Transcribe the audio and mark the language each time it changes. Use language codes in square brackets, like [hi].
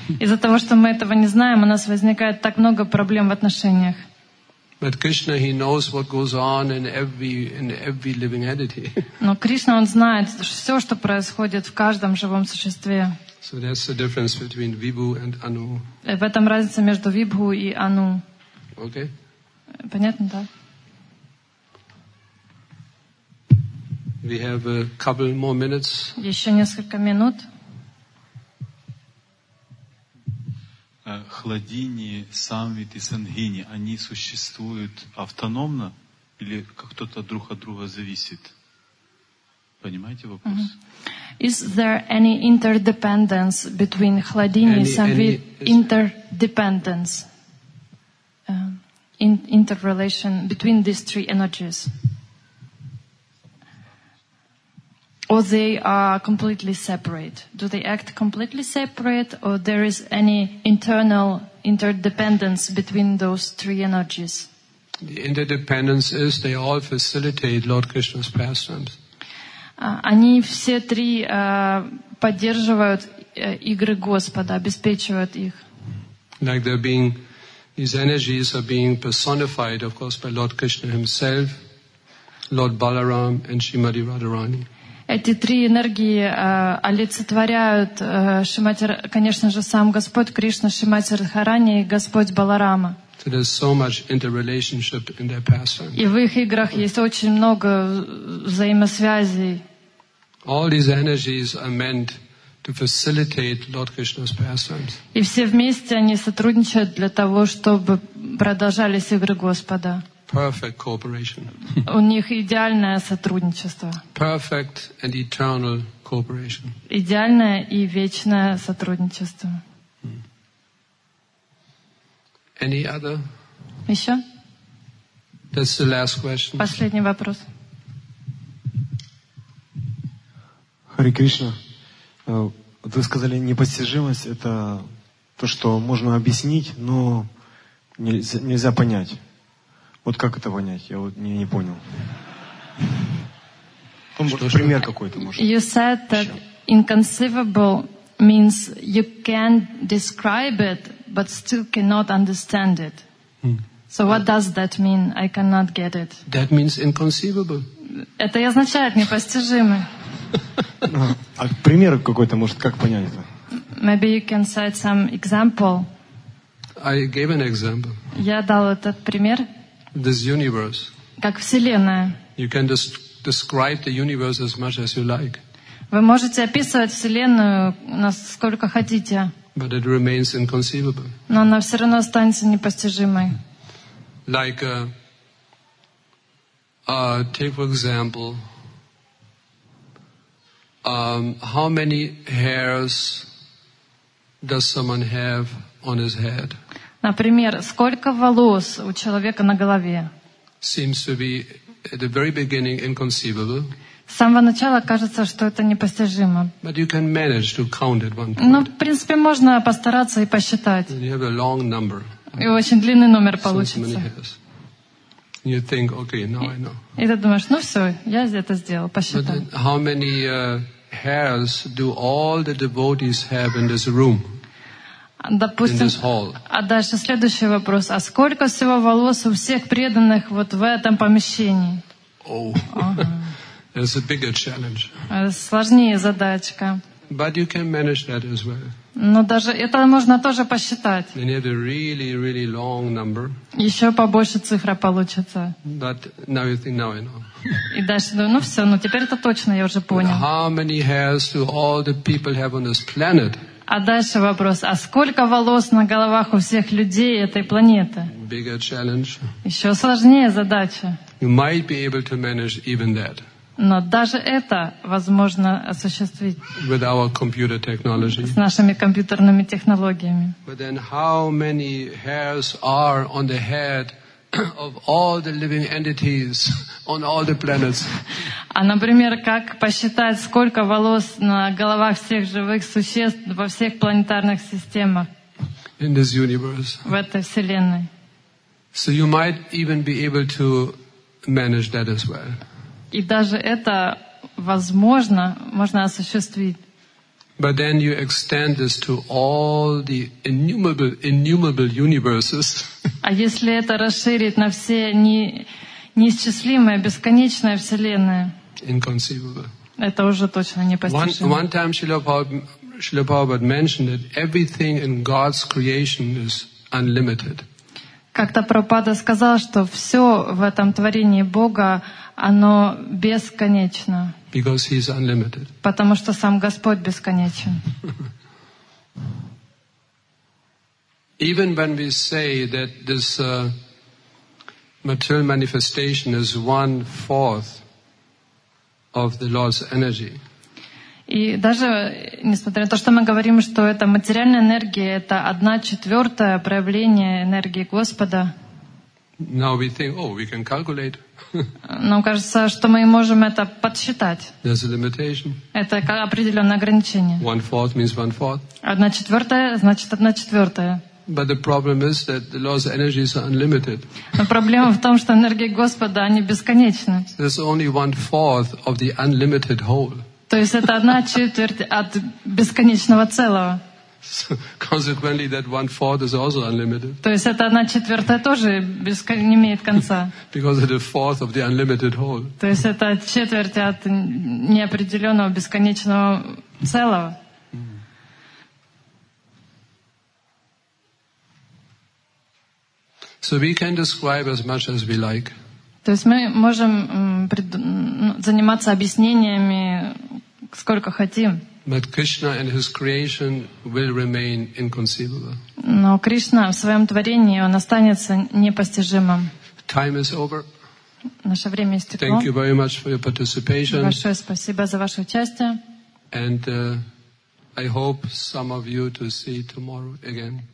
[ru] Из-за того, что мы этого не знаем, у нас возникает так много проблем в отношениях. [en] But Krishna, he knows what goes on in every living entity. [ru] Но Кришна, он знает все, что происходит в каждом живом существе. [en] So that's the difference between vibhu and anu. [ru] В этом разница между вибху и ану. [en] Okay. [ru] Понятно, да? [en] We have a couple more minutes. [ru] Еще несколько минут. Хладини, Самвит и Сангини, они существуют автономно или как кто-то друг от друга зависит? Понимаете вопрос? [en] Is there any interdependence between Hladini and Samvit? Interdependence. Interrelation between these three energies. Or they are completely separate? Do they act completely separate, or there is any internal interdependence between those three energies? The interdependence is they all facilitate Lord Krishna's pastimes. [ru] Они все три поддерживают игры Господа, обеспечивают их. [en] Like they're being, these energies are being personified, of course, by Lord Krishna himself, Lord Balaram and Srimati Radharani. [ru] Эти три энергии олицетворяют, Шимати, конечно же, сам Господь Кришна, Шимати Радхарани и Господь Баларама. [en] So there's so much interrelationship in their pastimes. [ru] И в их играх есть очень много взаимосвязей. [en] All these energies are meant to facilitate Lord Krishna's pastimes. [ru] И все вместе они сотрудничают для того, чтобы продолжались игры Господа. [en] Perfect cooperation. [ru] У них идеальное сотрудничество. [en] Perfect and eternal cooperation. [ru] Идеальное и вечное сотрудничество. [en] Any other? [ru] Еще? [en] That's the last question. [ru] Последний вопрос. Hare Krishna. Вы сказали, непостижимость — это то, что можно объяснить, но нельзя понять. Вот как это понять? Я вот не понял. Пример какой-то, может. [en] You said that inconceivable means you can describe it, but still cannot understand it. So what does that mean? I cannot get it. That means inconceivable. [ru] Это и означает непостижимый. А пример какой-то, может, как понять это? [en] Maybe you can cite some example. I gave an example. [ru] Я дал этот пример. [en] This universe. [ru] Как вселенная. [en] You can describe the universe as much as you like. [ru] Вы можете описывать вселенную насколько хотите. [en] But it remains inconceivable. [ru] Но она все равно останется непостижимой. [en] Like, take for example, how many hairs does someone have on his head? [ru] Например, сколько волос у человека на голове? [en] Seems to be at the very beginning inconceivable. [ru] С самого начала кажется, что это непостижимо. [en] But you can manage to count at one point. [ru] Ну, в принципе, можно постараться и посчитать. [en] And you have a long number. [ru] И очень длинный номер получится. [en] So many hairs. You think, okay, now I know. [ru] И ты думаешь, ну все, я это сделал, посчитал. [en] But then, how many hairs do all the devotees have in this room? [ru] Допустим, а дальше следующий вопрос. А сколько всего волос у всех преданных вот в этом помещении? [en] That's a bigger challenge. [ru] Сложнее задачка. [en] But you can manage that as well. [ru] Но даже это можно тоже посчитать. [en] You need a really, really long number. [ru] Еще побольше цифра получится. [en] But now you think, now I know. [ru] И дальше, ну все, ну теперь это точно, я уже понял. [en] But how many hairs do all the people have on this planet? [ru] А дальше вопрос. А сколько волос на головах у всех людей этой планеты? [en] Bigger challenge. [ru] Еще сложнее задача. [en] You might be able to manage even that. [ru] Но даже это возможно осуществить. [en] With our computer technology. [ru] С нашими компьютерными технологиями. [en] But then how many hairs are on the head of all the living entities on all the planets? [ru] А, например, как посчитать, сколько волос на головах всех живых существ во всех планетарных системах? [en] In this universe. [ru] В этой вселенной. [en] So you might even be able to manage that as well. [ru] И даже это возможно, можно осуществить. [en] But then you extend this to all the innumerable universes. [ru] А если это расширить на все неисчислимые, бесконечные вселенные? [en] Inconceivable. [ru] Это уже точно непостижимо. [en] One time Srila Prabhupada mentioned that everything in God's creation is unlimited. [ru] Как-то Прабхупада сказал, что все в этом творении Бога, оно бесконечно. [en] Because he is unlimited. [ru] Потому что сам Господь бесконечен. [en] Even when we say that this material manifestation is one fourth of the Lord's energy. [ru] И даже несмотря на то, что мы говорим, что это материальная энергия, это 1/4 проявление энергии Господа. [en] Now we think, oh, we can calculate. [ru] Нам кажется, что мы можем это подсчитать. [en] There's a limitation. [ru] Это определенное ограничение. [en] 1/4 means 1/4. [ru] 1/4 значит 1/4. [en] But the problem is that the Lord's energies are unlimited. [ru] Но проблема в том, что энергии Господа они бесконечны. [en] There's only 1/4 of the unlimited whole. [ru] То есть это 1/4 от бесконечного целого. [en] So, consequently, that 1/4 is also unlimited. [ru] То есть это 1/4 тоже не имеет конца. [en] Because it's a fourth of the unlimited whole. [ru] То есть это 1/4 от неопределенного бесконечного целого. [en] So we can describe as much as we like. [ru] То есть мы можем заниматься объяснениями сколько хотим. [en] But Krishna and his creation will remain inconceivable. [ru] Но Кришна в своем творении он останется непостижимым. [en] Time is over. [ru] Наше время истекло. [en] Thank you very much for your participation. [ru] Большое спасибо за ваше участие. [en] And I hope some of you to see tomorrow again.